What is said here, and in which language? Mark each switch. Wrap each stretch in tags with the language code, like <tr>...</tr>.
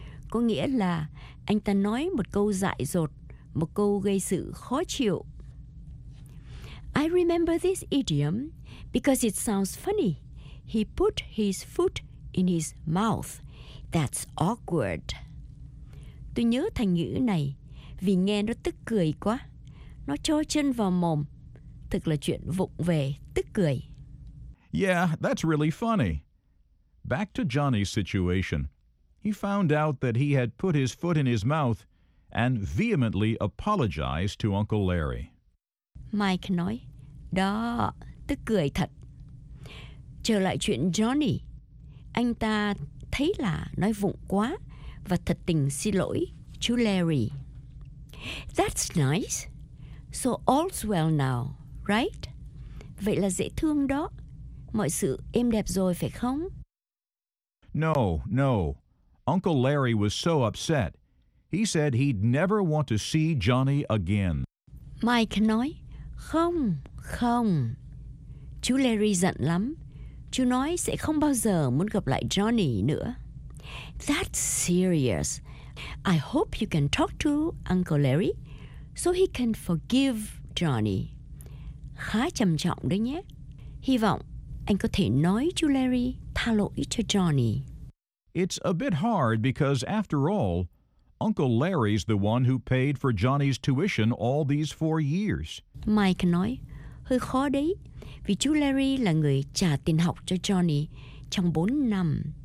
<vi>Có nghĩa là anh ta nói một câu dại dột, một câu gây sự khó chịu.</vi> <en>I remember this idiom because it sounds funny. He put his foot in his mouth. That's awkward.</en> <vi>Tôi nhớ thành ngữ này. Vì nghe nó tức cười quá. Nó cho chân vào mồm. Thực là chuyện vụng về, tức cười.</vi> <en>Yeah, that's really funny. Back to Johnny's situation. He found out that he had put his foot in his mouth and vehemently apologized to Uncle Larry.</en> <vi>Mike nói, đó, tức cười thật. Trở lại chuyện Johnny. Anh ta thấy là nói vụng quá và thật tình xin lỗi chú Larry.</vi> <en>That's nice. So all's well now, right?</en> <vi>Vậy là dễ thương đó. Mọi sự êm đẹp rồi phải không?</vi> <en>No, no. Uncle Larry was so upset. He said he'd never want to see Johnny again.</en> <vi>Mike nói, không, không. Chú Larry giận lắm. Chú nói sẽ không bao giờ muốn gặp lại Johnny nữa.</vi> <en>That's serious. I hope you can talk to Uncle Larry so he can forgive Johnny.</en> <vi>Khá trầm trọng đấy nhé. Hy vọng anh có thể nói chú Larry tha lỗi cho Johnny.</vi> <en>It's a bit hard because after all, Uncle Larry's the one who paid for Johnny's tuition all these 4 years.</en> <vi>Mike nói, hơi khó đấy, vì chú Larry là người trả tiền học cho Johnny trong 4 năm.</vi>